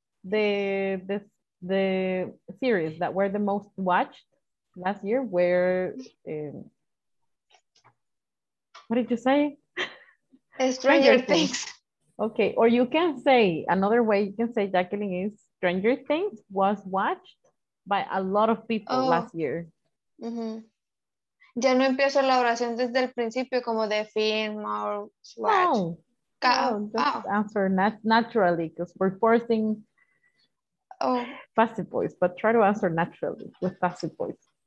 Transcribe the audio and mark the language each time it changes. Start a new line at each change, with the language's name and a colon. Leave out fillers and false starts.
English: The series that were the most watched last year were, what did you say? Stranger Things. Okay, or you can say, another way you can say, Jacqueline, is Stranger Things was watched by a lot of people last year. Mm-hmm.
Spanish: Ya no empiezo la oración desde el principio como de
English: film or watch. No, answer naturally because we're forcing passive voice, but try to answer naturally with passive voice.